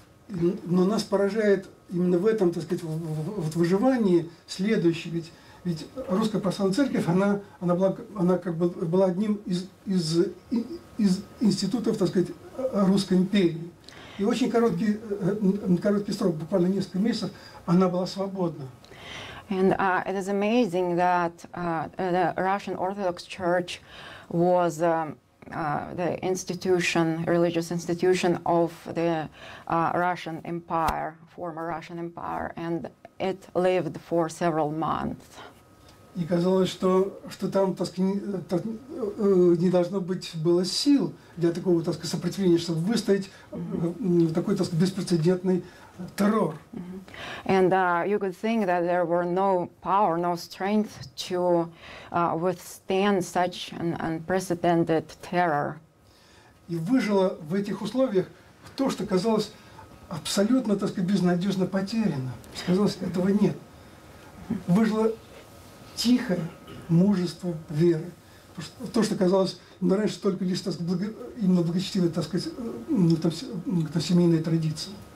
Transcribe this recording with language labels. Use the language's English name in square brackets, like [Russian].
[Russian] Но нас поражает именно в этом, так сказать, в выживании следующее, ведь Русская Православная Церковь, она как бы была одним из институтов, так сказать, Русской империи. И очень короткий срок, буквально несколько месяцев, она была свободна. [English] And it is amazing that the Russian Orthodox Church was the institution, religious institution of the Russian Empire, former Russian Empire, and it lived for several months. [Russian] И казалось, что там, так сказать, не должно быть было сил для такого, так сказать, сопротивления, чтобы выстоять такой, так сказать, беспрецедентный террор. [English] And you could think that there were no power, no strength to withstand such an unprecedented terror. [Russian] И выжило в этих условиях то, что казалось абсолютно, так сказать, безнадежно потеряно. Казалось, этого нет. Выжило тихое мужество веры. То, что казалось раньше только лишь, так сказать, именно благочестивой, так сказать, там, семейной традиции.